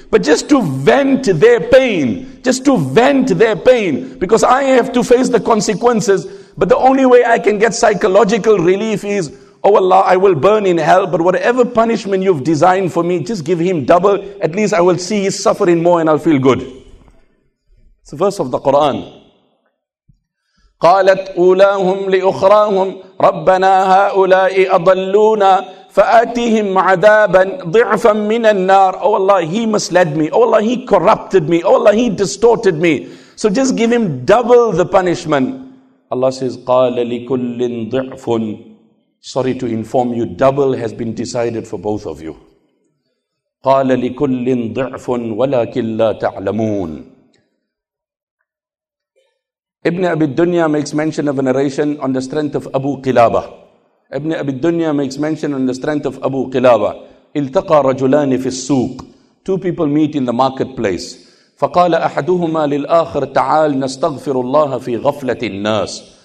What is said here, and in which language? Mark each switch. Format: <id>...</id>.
<en>But just to vent their pain, just to vent their pain, because I have to face the consequences, but the only way I can get psychological relief is, oh Allah, I will burn in hell, but whatever punishment you've designed for me, just give him double. At least I will see his suffering more and I'll feel good. It's a verse of the Quran.</en> <ar>قالت أولاهم لأخراهم ربنا هؤلاء أضلونا فآتهم عذابا ضعفا من النار.</ar> <en>Oh Allah, he misled me. Oh Allah, he corrupted me. Oh Allah, he distorted me. So just give him double the punishment. Allah says,</en> <ar>قال لكل ضعف.</ar> <en>Sorry to inform you, double has been decided for both of you.</en> <ar>قال لكل ضعف ولكن لا تعلمون.</ar> <en>Ibn Abi Dunya makes mention of a narration on the strength of Abu Qilabah. Ibn Abi Dunya makes mention on the strength of Abu Qilabah.</en> <ar>إِلْتَقَى رَجُلَانِ فِي السُّوقِ.</ar> <en>Two people meet in the marketplace.</en> <ar>فَقَالَ أَحَدُهُمَا لِلْآخِرِ تَعَالْ نَسْتَغْفِرُ اللَّهَ فِي غَفْلَةِ النَّاسِ.</ar>